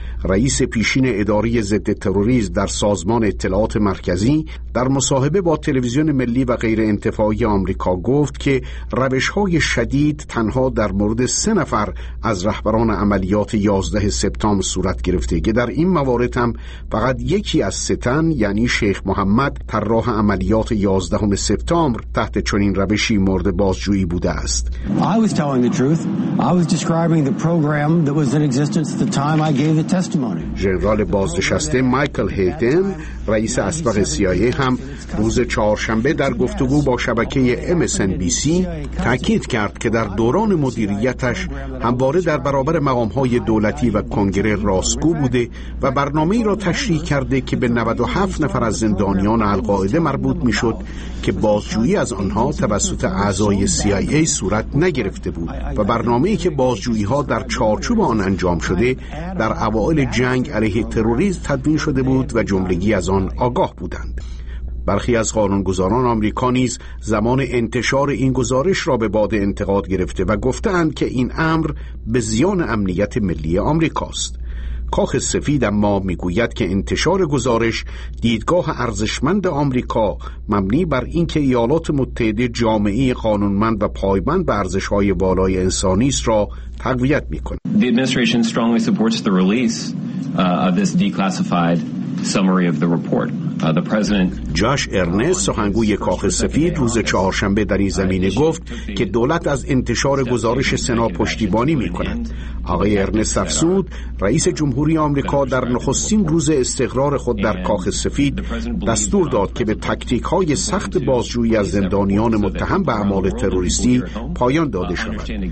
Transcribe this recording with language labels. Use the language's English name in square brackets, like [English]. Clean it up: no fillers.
[Persian] رئیس پیشین اداره ضد تروریسم در سازمان اطلاعات مرکزی در مصاحبه با تلویزیون ملی و غیر انتفاعی آمریکا گفت که روش‌های شدید تنها در مورد 3 نفر از رهبران عملیات 11 سپتامبر صورت گرفته که در این موارد هم فقط یکی از 3 تن یعنی شیخ محمد طراح عملیات 11 سپتامبر تحت چنین روشی مورد بازجویی بوده است. [English] I was telling the truth. I was describing the program that was in existence at the time I gave the testimony. [Persian] ژنرال بازنشسته مایکل هیدن رئیس اسبق CIA هم روز چهارشنبه در گفتگو با شبکه MSNBC تاکید کرد که در دوران مدیریتش همواره در برابر مقام‌های دولتی و کنگره راستگو بوده و برنامه‌ای را تشریح کرده که به 97 نفر از زندانیان القاعده مربوط می‌شد که بازجویی از آنها توسط اعضای CIA صورت نگرفته بود و برنامه‌ای که بازجویی‌ها در چارچوب آن انجام شده در اوائل جنگ علیه تروریسم تدوین شده بود و جملگی از آن آگاه بودند. برخی از قانونگذاران آمریکا نیز زمان انتشار این گزارش را به باد انتقاد گرفته و گفتند که این امر به زیان امنیت ملی آمریکاست. کاخ سفید اما میگوید که انتشار گزارش دیدگاه ارزشمند آمریکا مبنی بر اینکه ایالات متحده جامعه قانونمند و پایبند به ارزش‌های والای انسانی است را تقویت می‌کند. [English] The administration strongly supports the release of this declassified summary of the report. The president [Persian] جاش ارنست سخنگوی کاخ سفید روز چهارشنبه در این زمینه گفت که دولت از انتشار گزارش سنا پشتیبانی می‌کند. آقای ارنست افسود رئیس جمهوری آمریکا در نخستین روز استقرار خود در کاخ سفید دستور داد که به تاکتیک‌های سخت بازجویی از زندانیان متهم به اعمال تروریستی پایان داده شود.